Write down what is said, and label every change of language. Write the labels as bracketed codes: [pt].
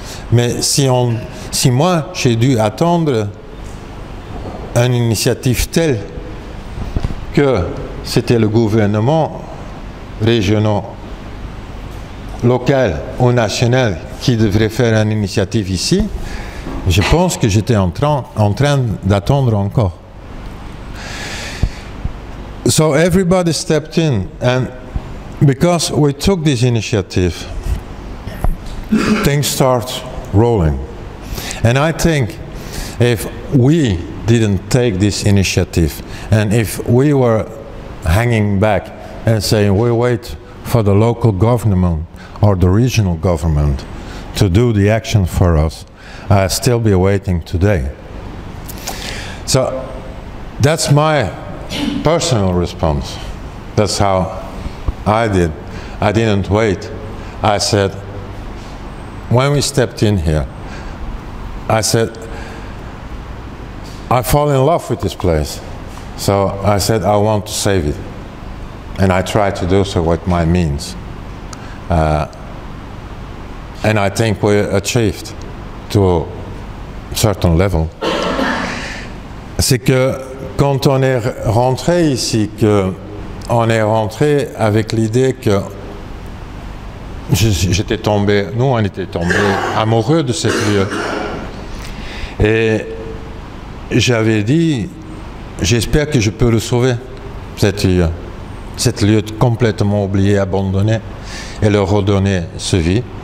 [fr] Mais si moi, j'ai dû attendre une initiative telle que c'était le gouvernement régional, local ou national qui devrait faire une initiative ici, je pense que j'étais en train d'attendre encore. [en] So everybody stepped in, and because we took this initiative, things start rolling. And I think if we didn't take this initiative, and if we were hanging back and saying we wait for the local government or the regional government to do the action for us, I'd still be waiting today. So that's my personal response. That's how I did. I didn't wait. I said, when we stepped in here, I said, I fall in love with this place. So I said, I want to save it. And I tried to do so with my means. And I think we achieved to a certain level. [fr] C'est que quand on est rentré ici, que on est rentré avec l'idée que j'étais tombé, nous on était tombé amoureux de cette lieu. Et j'avais dit, j'espère que je peux le sauver, cette lieu complètement oublié, abandonné, et le redonner ce vie.